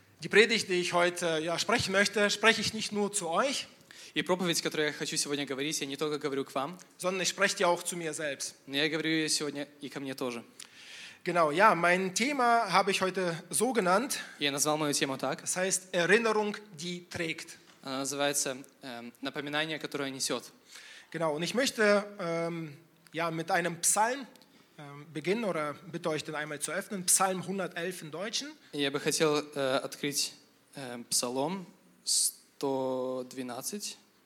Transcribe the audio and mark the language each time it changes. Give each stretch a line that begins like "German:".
German: die Predigt, die ich heute sprechen möchte, spreche ich nicht nur zu euch,
Russian: и проповедь, которую я хочу сегодня говорить, я не только говорю к вам,
German: sondern ich spreche auch zu mir selbst.
Russian: Но я говорю сегодня и ко мне тоже.
German: Genau, ja, mein Thema habe ich heute so genannt.
Russian: Я назвал мою тему так.
German: Das heißt Erinnerung, die trägt.
Russian: Она называется напоминание, которое несет.
German: Genau, und ich möchte mit einem Psalm beginnen oder bitte euch den einmal zu öffnen. Psalm 111 im Deutschen.
Russian: Я бы хотел открыть Псалом 112.